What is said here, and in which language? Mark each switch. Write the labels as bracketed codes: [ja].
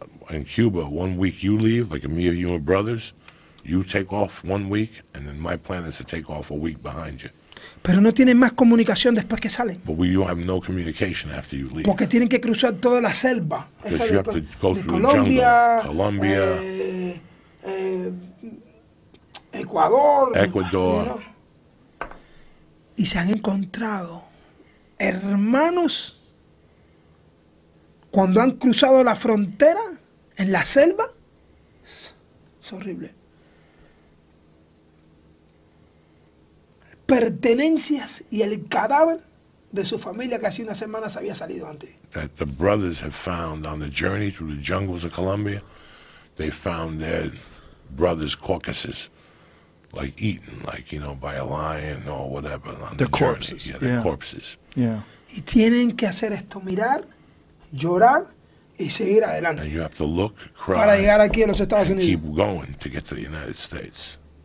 [en] In Cuba, 1 week you leave, like me and you and brothers, you take off 1 week, and then my plan is to take off a week behind you. [es] Pero no tienen más comunicación después que salen. [en] But we don't have no communication after you leave. [es] Porque tienen que cruzar toda la selva. [en] Because you have to go through Colombia, the jungle. Colombia, Ecuador. Ecuador. You know? [es] Y se han encontrado hermanos cuando han cruzado la frontera en la selva. Es horrible. Pertenencias y el cadáver de su familia que hace unas semanas había salido antes. [en] That the brothers have found on the journey through the jungles of Colombia, they found their brothers' carcasses, like eaten, like, you know, by a lion or whatever on their corpses. Journey. Yeah, their corpses. Yeah. [es] Y tienen que hacer esto, mirar, llorar y seguir adelante. [en] And you have to look, cry, [es] para llegar aquí a los Estados Unidos. [en] Keep going to get to the United States.